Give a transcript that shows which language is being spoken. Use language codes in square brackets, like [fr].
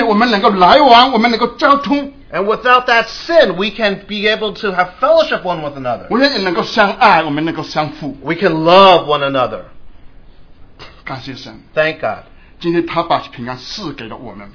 [zh] 没有罪的隔阻里面我们能够来往我们能够交通 [en] And without that sin we can be able to have fellowship one with another [zh] 我们也能够相爱我们能够相负 [en] We can love one another [zh] 感谢神 [en] Thank God [zh] 今天他把平安赐给了我们